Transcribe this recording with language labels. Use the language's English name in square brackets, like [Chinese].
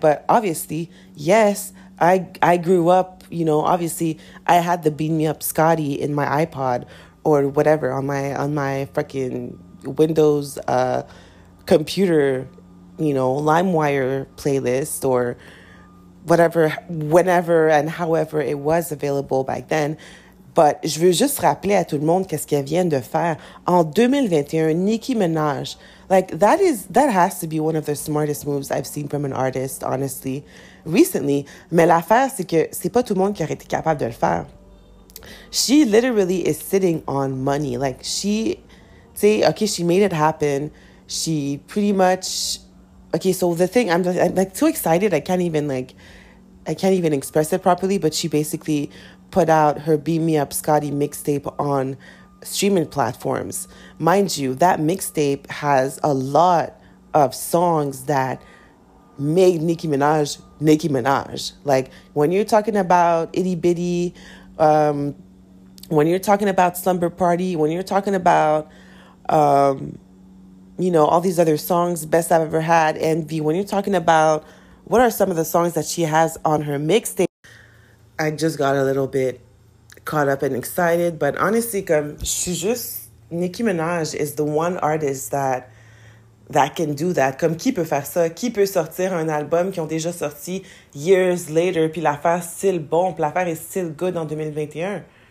[English] But obviously, yes, I grew up, obviously I had the Beat Me Up Scotty in my iPod or whatever on my fucking Windows computer, LimeWire playlist or whatever, whenever and however it was available back then. But [French] je veux juste rappeler à tout le monde qu'est-ce qu'elle vient de faire en 2021, Nicki Minaj. [English] Like that has to be one of the smartest moves I've seen from an artist, honestly, recently. [French] Mais l'affaire, c'est que c'est pas tout le monde qui aurait été capable de le faire. [English] She literally is sitting on money. Like she, say, okay, she made it happen. She pretty much, okay. So the thing, I'm like too excited. I can't even express it properly. But she basically put out her Beam Me Up Scotty mixtape on streaming platforms. Mind you, that mixtape has a lot of songs that made Nicki Minaj Nicki Minaj. Like when you're talking about Itty Bitty, when you're talking about Slumber Party, when you're talking about all these other songs, Best I've Ever Had, Envy. When you're talking about what are some of the songs that she has on her mixtape, I just got a little bit caught up and excited. But honestly, [French] comme, [English] she's just Nicki Minaj is the one artist that can do that. [French] Comme qui peut faire ça? Qui peut sortir un album qui ont déjà sorti [English] years later, [French] puis l'affaire [English] still [French] bon, puis l'affaire est [English] still good [French] en 2021?